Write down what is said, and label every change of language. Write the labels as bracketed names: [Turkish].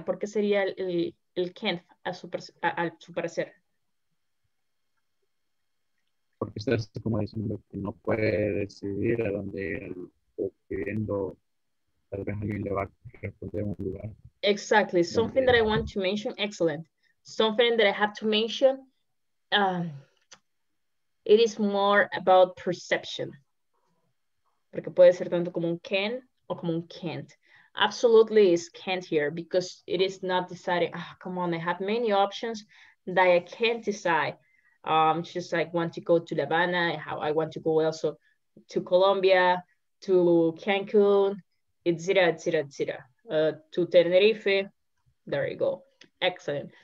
[Spanish] ¿Por qué sería el can't a su parecer? Porque estás como diciendo que no puede decidir a dónde ir o pidiendo, tal vez alguien le va a responder un lugar. [English] Exactly. Something that I want to mention. Excellent. Something that I have to mention. It is more about perception. [Spanish] Porque puede ser tanto como un can o como un can't. [English] Absolutely is can't here because it is not decided. Oh, come on, I have many options that I can't decide. Just like want to go to La Habana, how I want to go also to Colombia, to Cancun, to Tenerife. There you go. Excellent.